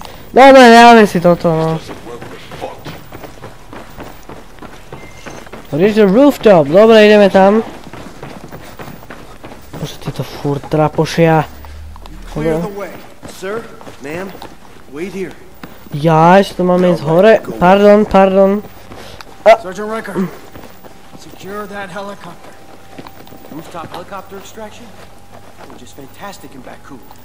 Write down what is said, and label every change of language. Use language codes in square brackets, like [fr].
[sk] Dobre, nechajme si toto, no. [en] Reach the rooftop, [sk] dobre, ideme tam. Bože, tieto furt trapošia. [en] Clear the way, sir, ma'am, wait here. [sk] Jaj, to máme ísť hore, pardon, pardon. [en] Sergeant Riker, secure that helicopter. Rooftop helicopter extraction? Which is fantastic in Baku.